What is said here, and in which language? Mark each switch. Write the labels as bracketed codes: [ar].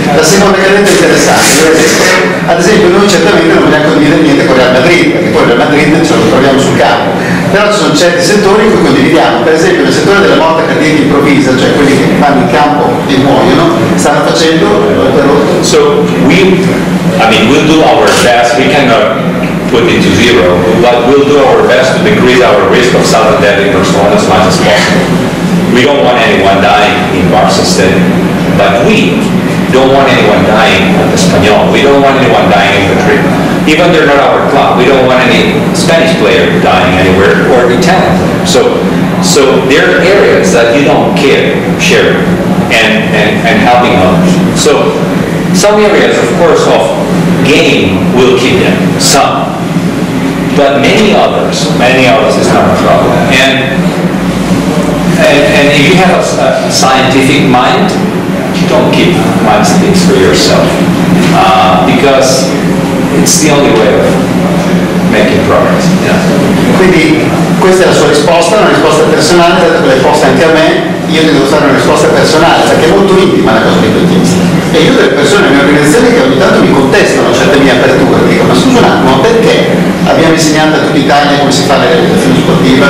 [it] La seconda che ha detto è interessante, lui ha detto, ad esempio noi certamente non vogliamo condividere niente con Real Madrid, perché poi Real Madrid ce lo troviamo sul campo. Però ci sono certi settori in cui condividiamo, per esempio nel settore della morte cardiaca improvvisa, cioè quelli che vanno in campo e muoiono, stanno facendo per loro. [en] So we'll do our best, we cannot put it to zero, but we'll do our best to decrease our risk of sudden death in Barcelona as much as possible. We don't want anyone dying in Barcelona, but we don't want anyone dying at the Espanyol, we don't want anyone dying in Madrid. Even they're not our club, we don't want any Spanish player dying anywhere or Italian player. So there are areas that you don't care sharing and helping others. So some areas, of course, of gain will keep them, some. But many others is not a problem. And if you have a scientific mind, you don't keep much things for yourself. Because it's the only way of making progress. Yeah. [it] Quindi questa è la sua risposta, una risposta personale, dato che l'hai posta anche a me, io devo fare una risposta personale, perché è molto intima la cosa che tu dici. E io ho delle persone nella mia organizzazione che ogni tanto mi contestano certe mie aperture, dico, ma scusa un attimo, perché abbiamo insegnato a tutta Italia come si fa la realizzazione sportiva?